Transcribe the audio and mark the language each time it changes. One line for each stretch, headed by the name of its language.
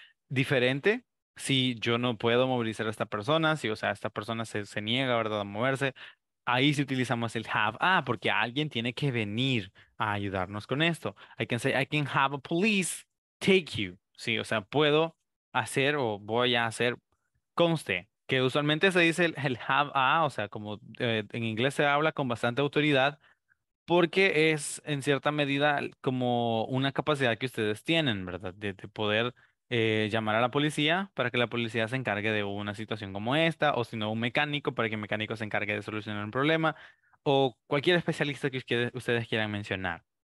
Spanish: Diferente, si yo no puedo movilizar a esta persona, si, o sea, esta persona se niega, ¿verdad?, a moverse, ahí sí utilizamos el have, porque alguien tiene que venir a ayudarnos con esto.
English: I can say, I can have a police take you.
Spanish: Sí, o sea, puedo hacer o voy a hacer, conste, que usualmente se dice el have a, o sea, como en inglés se habla con bastante autoridad, porque es en cierta medida como una capacidad que ustedes tienen, ¿verdad? De poder llamar a la policía para que la policía se encargue de una situación como esta, o si no, un mecánico para que el mecánico se encargue de solucionar un problema, o cualquier especialista que ustedes quieran mencionar.